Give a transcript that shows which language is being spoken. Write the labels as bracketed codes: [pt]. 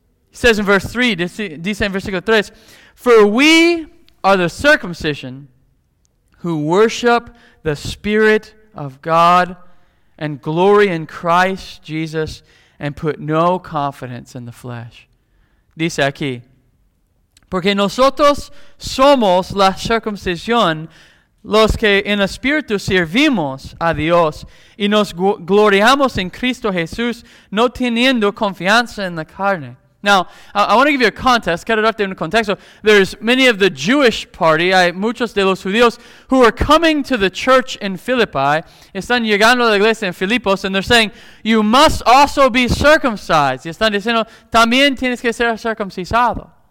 [en] He says in verse 3, [es] dice en versículo 3, [en] for we are the circumcision who worship the Spirit of God and glory in Christ Jesus and put no confidence in the flesh. [es] Dice aquí, porque nosotros somos la circuncisión, los que en espíritu servimos a Dios y nos gloriamos en Cristo Jesús, no teniendo confianza en la carne. [en] Now, I want to give you a context. [es] Quiero darte un contexto. [en] There's many of the Jewish party, [es] hay muchos de los judíos, [en] who are coming to the church in Philippi. [es] Están llegando a la iglesia en Filipos, [en] and they're saying, you must also be circumcised. [es] Y están diciendo, también tienes que ser circuncisado.